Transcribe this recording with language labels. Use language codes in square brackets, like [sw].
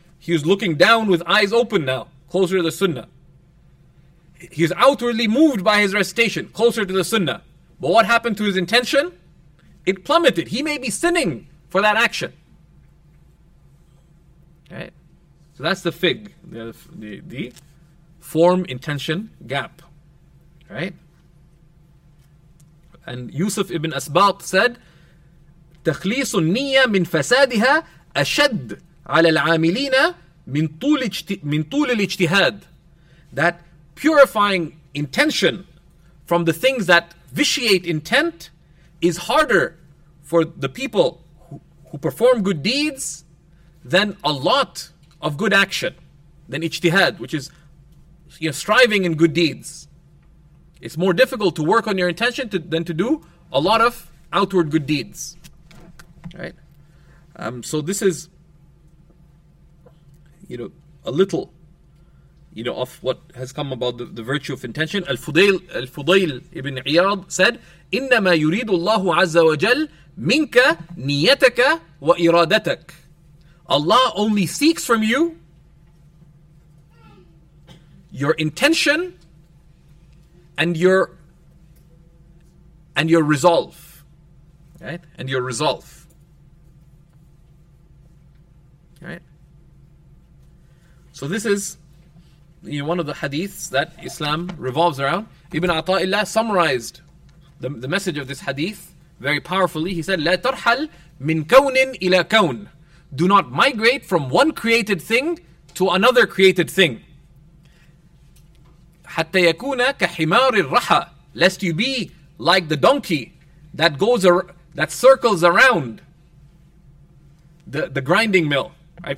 [en] He was looking down with eyes open now, closer to the sunnah. He was outwardly moved by his recitation, closer to the sunnah. But what happened to his intention? It plummeted. He may be sinning for that action, right? So that's the fig, the form-intention gap, right? And Yusuf ibn Asbat said, [ar] تخليص النية من فسادها أشد على العاملين من طول الاجتهاد. [en] That purifying intention from the things that vitiate intent is harder for the people who perform good deeds than a lot of good action, than ijtihad, which is, you know, striving in good deeds. It's more difficult to work on your intention than to do a lot of outward good deeds. Right? So this is, you know, a little, you know, of what has come about the virtue of intention. Al-Fudayl ibn Iyad said, [ar] إِنَّمَا يُرِيدُ اللَّهُ عَزَّ وَجَلْ مِنْكَ نِيَّتَكَ وَإِرَادَتَكَ. [en] Allah only seeks from you your intention and your resolve. Right? And your resolve. Right? So this is, you know, one of the hadiths that Islam revolves around. Ibn Ata'illah summarized the message of this hadith very powerfully. He said, [ar] لَا تَرْحَلْ مِنْ كَوْنٍ إِلَى كَوْنٍ. [en] Do not migrate from one created thing to another created thing. [ar] حَتَّى يَكُونَ كَحِمَارِ الرَّحَى. [en] Lest you be like the donkey that goes that circles around the grinding mill. Right?